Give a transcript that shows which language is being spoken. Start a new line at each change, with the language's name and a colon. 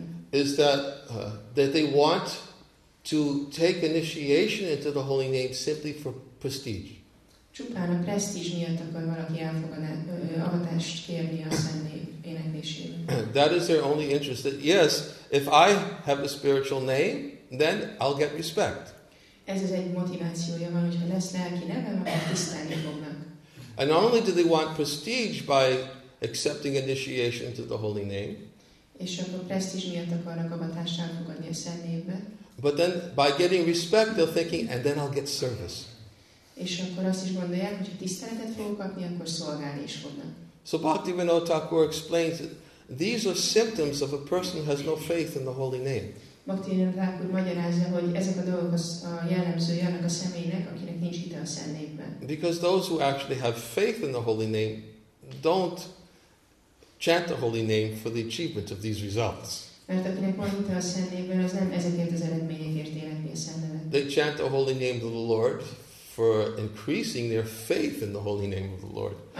English: Is that that they want to take initiation into the holy name simply for prestige.
Hungarian: Csupán a presztízs miatt akar valaki avatást kérni a szentnév éneklésében.
English: That is their only interest. That, yes, if I have a spiritual name, then I'll get respect.
Hungarian: Ez az egy motivációja van, hogyha lesz lelki nevem, akkor tisztelni fognak.
English: And not only do they want prestige by accepting initiation to the holy name.
Hungarian: És akkor presztízs miatt akarnak avatást elfogadni a szentnévbe.
English: But then, by getting respect, they're thinking, and then I'll get service.
Hungarian: És akkor azt is gondolják, hogy ha tiszteletet fogok kapni, akkor szolgálni is fognak.
English: So Bhaktivinoda Thakur explains that these are symptoms of a person who has no faith in the holy name.
Hungarian: Bhaktivinoda Thakur magyarázza, hogy ezek a dolgok az a jellemzője annak a személynek, akinek nincs hite a szent névben.
English: Because those who actually have faith in the holy name don't chant the holy name for the achievement of these results.
Hungarian: Mert akinek van hite a szent névben, az nem ezeket az eredményekért életni a szent nevet.
English: They chant the holy name of the Lord for increasing their faith in the holy name of the Lord.